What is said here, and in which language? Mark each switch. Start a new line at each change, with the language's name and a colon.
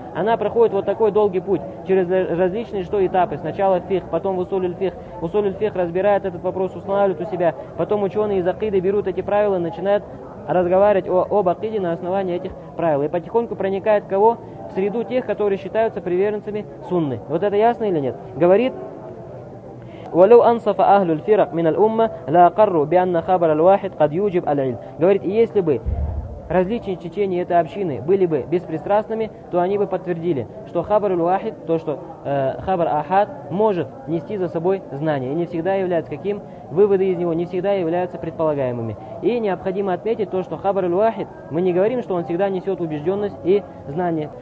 Russian: Она проходит вот такой долгий путь через различные что этапы. Сначала фикх, потом усуль-эль-фикх. Усуль-эль-фикх разбирает этот вопрос, устанавливает у себя. Потом ученые из акиды берут эти правила и начинают разговаривать об акиде на основании этих правил. И потихоньку проникает кого? В среду тех, которые считаются приверженцами сунны. Вот это ясно или нет? Говорит,
Arabic: وَلَوْ أَنصَفَ أَهْلُ الْفِرَقْ مِنَ الْأُمَّةِ لَأَقَرُّ بِأَنَّ خَبَرَ الْوَاحِدْ قَدْ يُوجِبْ الْعِلْمِ.
Russian: Говорит, если бы различные течения этой общины были бы беспристрастными, то они бы подтвердили, что хабар аль-вахид, то, что хабар ахад, может нести за собой знание. И не всегда является каким? Выводы из него не всегда являются предполагаемыми. И необходимо отметить то, что хабар аль-вахид, мы не говорим, что он всегда несет убежденность и знание.